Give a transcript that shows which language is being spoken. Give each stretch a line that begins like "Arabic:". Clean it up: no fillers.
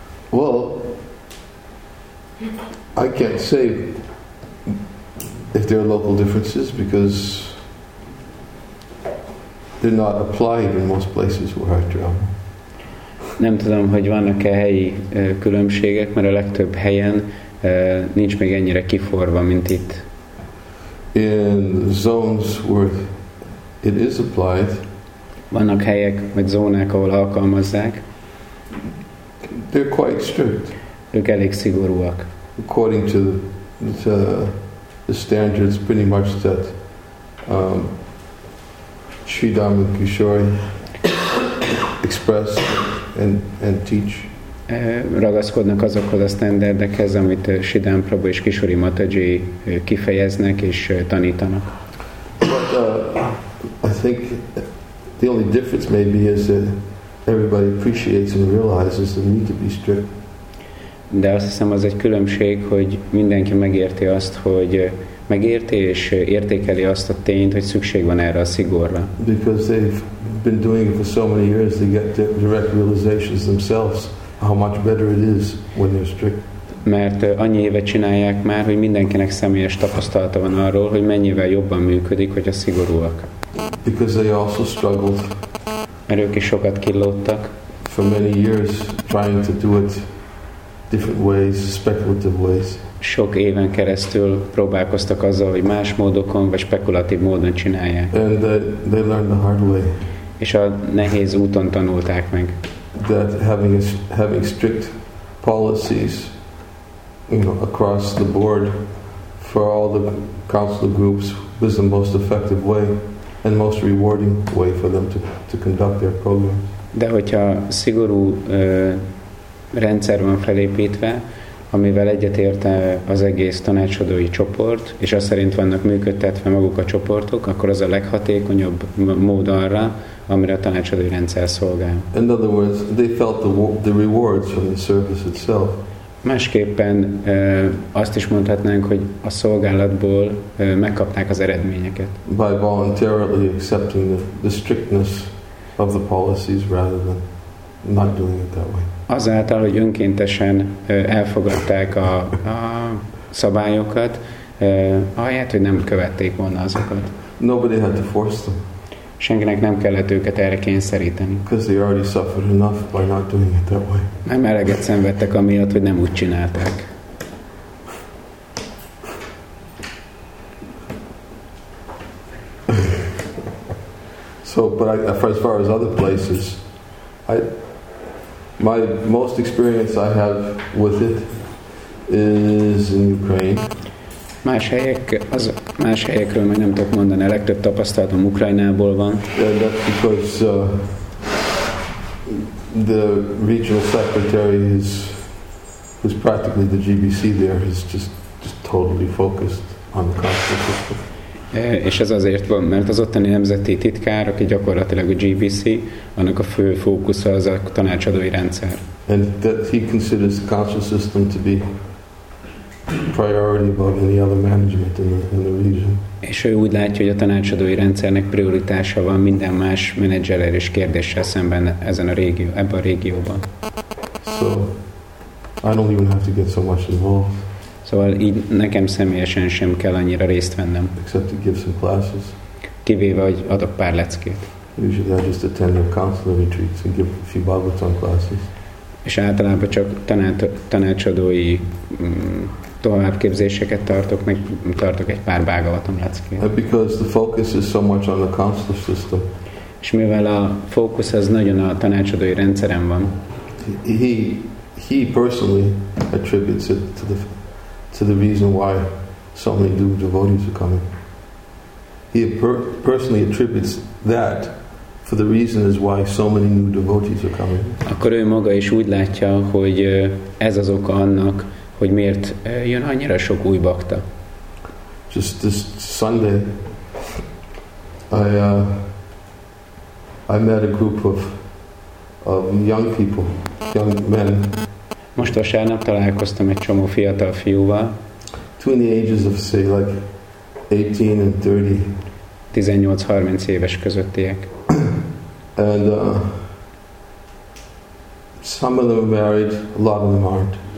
English: Well, I can't say if there are local differences because they're not applied in most places where I travel.
Hungarian: Nem tudom, hogy vannak-e helyi különbségek, mert a legtöbb helyen nincs még ennyire kiforva, mint itt.
English: In zones where it is applied.
Hungarian: Vannak helyek, vagy zónák, ahol alkalmazzák.
English: They're quite strict.
Hungarian: Ők elég szigorúak.
English: According to the standards, pretty much that Sri Dhammad Kishore express and teach.
Hungarian: Ragaszkodnak azokhoz a standardekhez, amit Sri Dhamma Prabhu és Kishori Mataji kifejeznek és tanítanak.
English: But, I think the only difference maybe is that everybody appreciates and realizes the need to be strict.
Hungarian: De azt hiszem, az egy különbség, hogy mindenki megérti azt, hogy megérti és értékeli azt a tényt, hogy szükség van erre a szigorra.
English: Because they've been doing it for so many years, they get direct realizations themselves how much better it is when they're strict.
Hungarian: Mert annyi éve csinálják már, hogy mindenkinek személyes tapasztalata van arról, hogy mennyivel jobban működik, hogyha szigorúak.
English: Because they also struggled.
Hungarian: Mert ők is sokat kilódtak.
English: For many years trying to do it different ways, speculative ways.
Hungarian: Sok éven keresztül próbálkoztak azzal, hogy más módokon vagy spekulatív módon csinálják.
English: And they learned the hard way.
Hungarian: És a nehéz úton tanulták meg.
English: That having strict policies, you know, across the board for all the counselor groups was the most effective way and most rewarding way for them to conduct their programs.
Hungarian: De hogyha szigorú rendszer van felépítve, amivel egyetért az egész tanácsadói csoport, és az szerint vannak működtetve maguk a csoportok, akkor az a leghatékonyabb mód arra, amire a tanácsadói rendszer szolgál.
English: In other words, they felt the rewards from the service itself.
Hungarian: Másképpen azt is mondhatnánk, hogy a szolgálatból megkapták az eredményeket.
English: By voluntarily accepting the strictness of the policies rather than not doing it that way.
Hungarian: Azáltal, hogy önkéntesen elfogadták a szabályokat, ahelyett, hogy nem követték volna azokat.
English: Nobody had to force them.
Hungarian: Senkinek nem kellett őket erre kényszeríteni.
English: Because they already suffered enough by not doing it that way.
Hungarian: Nem eleget szenvedtek amiatt, hogy nem úgy csinálták.
English: So, but I, as far as other places, my most experience I have with it is in Ukraine.
Hungarian: Más helyekről majd nem tudok mondani, a legtöbb tapasztalatom Ukrajnából van.
English: Yeah, that's because the regional secretary is practically the GBC there, is just totally focused on the conflict.
Hungarian: És ez azért van, mert az ottani nemzeti titkár, aki gyakorlatilag a GBC, annak a fő fókusza az a tanácsadói rendszer.
English: And that he considers council system to be priority above any other management in the region.
Hungarian: És ő úgy látja, hogy a tanácsadói rendszernek prioritása van minden más menedzserrel és kérdéssel szemben ezen a régió, ebben a régióban.
English: So I don't even have to get so much involved.
Hungarian: Szóval így nekem személyesen sem kell annyira részt vennem.
English: Except to give some classes.
Hungarian: Kivéve, hogy adok pár leckét.
English: Usually I just attend the counselor retreats and give a few Bhagavatam classes.
Hungarian: És általában csak tanácsadói továbbképzéseket tartok, meg tartok egy pár Bhagavatam leckét.
English: And because the focus is so much on the council system.
Hungarian: És mivel a fókusz az nagyon a tanácsadói rendszeren van.
English: He personally attributes it to the reason why so many new devotees are coming. He personally attributes that for the reason is why so many new devotees are coming.
Hungarian: Akkor ő maga is úgy látja, hogy ez az oka annak, hogy miért jön annyira sok új bakta.
English: Just this Sunday, I met a group of young people, young men.
Hungarian: Most vasárnap találkoztam egy csomó fiatal fiúval.
English: Between the ages of say like 18 and 30.
Hungarian: 18-30 éves közöttiek.
English: And some of them are married, a lot of them aren't.